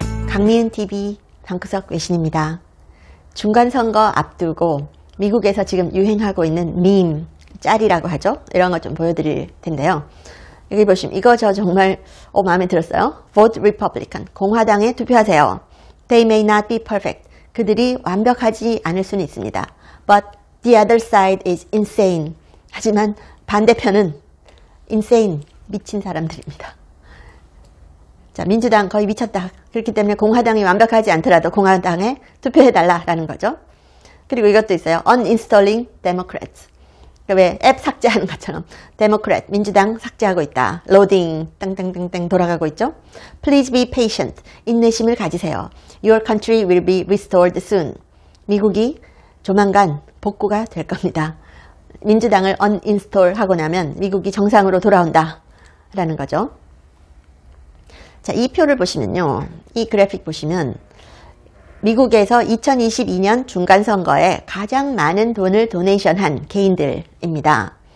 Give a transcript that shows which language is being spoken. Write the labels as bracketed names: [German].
[Korean] 강미은 TV 방구석 외신입니다. 중간선거 앞두고 미국에서 지금 유행하고 있는 밈, 짤이라고 하죠. 이런 거 좀 보여드릴 텐데요. 여기 보시면 이거 저 정말 마음에 들었어요. [English] Vote Republican, [Korean] 공화당에 투표하세요. [English] They may not be perfect. [Korean] 그들이 완벽하지 않을 수는 있습니다. [English] But the other side is insane. [Korean] 하지만 반대편은 insane, 미친 사람들입니다. 자, 민주당 거의 미쳤다. 그렇기 때문에 공화당이 완벽하지 않더라도 공화당에 투표해달라라는 거죠. 그리고 이것도 있어요. [English] Uninstalling Democrats. [Korean] 그러니까 왜 앱 삭제하는 것처럼 Democrat, 민주당 삭제하고 있다. Loading, 땡땡땡땡 돌아가고 있죠. [English] Please be patient. [Korean] 인내심을 가지세요. [English] Your country will be restored soon. [Korean] 미국이 조만간 복구가 될 겁니다. 민주당을 uninstall하고 나면 미국이 정상으로 돌아온다라는 거죠. 자, 이 표를 보시면요. 이 그래픽 보시면 미국에서 2022년 중간선거에 가장 많은 돈을 도네이션한 개인들입니다.